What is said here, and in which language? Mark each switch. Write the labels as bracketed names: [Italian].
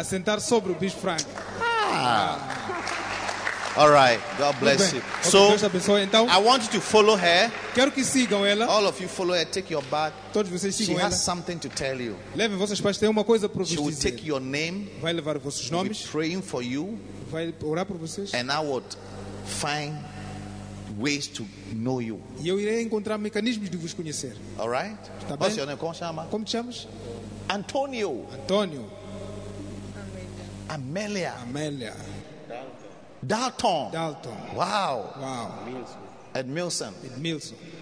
[Portuguese] Assentar sobre o Bishop Frank. [English] All right. God bless you. So, [Portuguese] Deus abençoe, então, [English] I want you to follow her. [Portuguese] Quero que sigam ela. [English] All of you follow her. Take your bag. [Portuguese] Todos vocês sigam [English] she [Portuguese] ela. [English] Has something to tell you. [Portuguese] Levem vossas pais, tem uma coisa para vos [English] she [Portuguese] dizer. [English] Will take your name. [Portuguese] Vai levar vossos [English] she [Portuguese] nomes. [English] Be praying for you. [Portuguese] Vai orar por vocês. [English] And I would find ways to know you. [Portuguese] E eu irei encontrar mecanismos de vos conhecer. [English] All right. [Portuguese] Tá bem? [English] Your name? [Portuguese] Como, chama? Como te chamas? Antonio. Antonio. Amelia. Amelia. Dalton. Dalton. [English] Wow. Wow. Edmilson. Edmilson.